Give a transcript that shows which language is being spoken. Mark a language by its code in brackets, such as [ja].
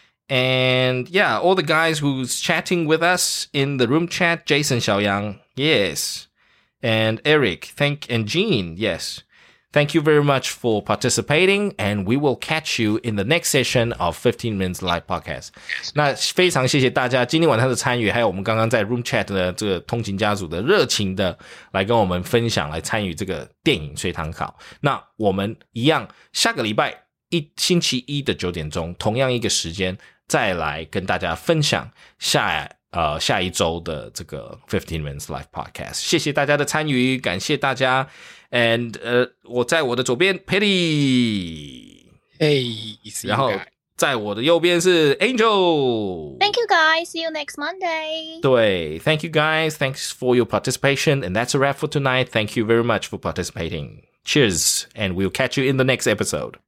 [en] And yeah, all the guys who's chatting with us in the room chat. Jason Xiaoyang, yes. And Eric, and Jean, yes. Thank you very much for participating, and we will catch you in the next session of 15 Minutes Live Podcast. [zh] 那非常谢谢大家今天晚上的参与，还有我们刚刚在 Room Chat 的这个通勤家族的热情的来跟我们分享，来参与这个电影随堂考。那我们一样下个礼拜星期一的9点钟，同样一个时间再来跟大家分享下一周的这个 15 Minutes Live Podcast. 谢谢大家的参与，感谢大家。 And 我在我的左边 Patty， [en] Hey， [zh] 然后在我的右边是 Angel。 [en] Thank you guys. See you next Monday. 对 ，Thank you guys. Thanks for your participation. And that's a wrap for tonight. Thank you very much for participating. Cheers, and we'll catch you in the next episode.